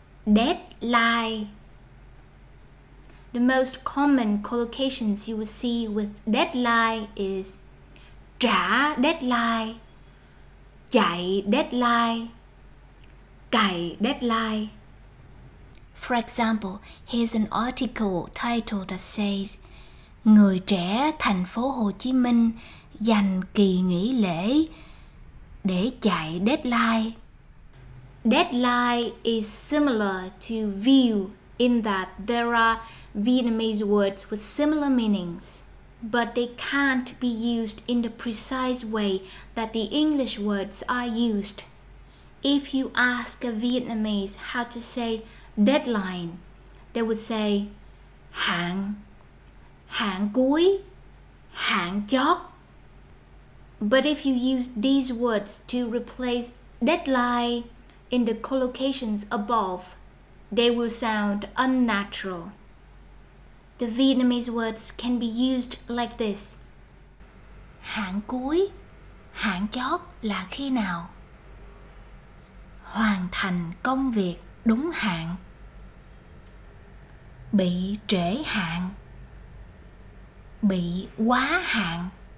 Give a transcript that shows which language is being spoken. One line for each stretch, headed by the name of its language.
English: Deadline. The most common collocations you will see with deadline is trả deadline, chạy deadline, cày deadline. For example, here's an article title that says
Vietnamese: Người trẻ thành phố Hồ Chí Minh dành kỳ nghỉ lễ để chạy deadline.
English: Deadline is similar to view in that there are Vietnamese words with similar meanings, but they can't be used in the precise way that the English words are used. If you ask a Vietnamese how to say deadline, they would say hạn, hạn cuối, hạn chót. But if you use these words to replace deadline in the collocations above, they will sound unnatural. The Vietnamese words can be used like this.
Vietnamese: Hạn cuối, hạn chót là khi nào? Hoàn thành công việc đúng hạn. Bị trễ hạn. Bị quá hạn.